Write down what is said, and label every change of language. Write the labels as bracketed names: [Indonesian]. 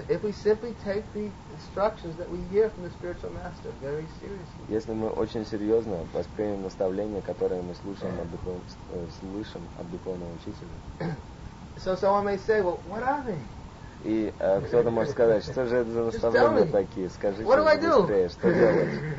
[English] If we simply take the instructions that we hear from the spiritual master very seriously. [Russian] Если мы очень серьезно воспримем наставления, которые мы слушаем от духовного учителя. [English] So someone may say, well, what are they? [Russian] И кто-то может сказать, что же это за наставления такие? Скажите мне быстрее, что делать?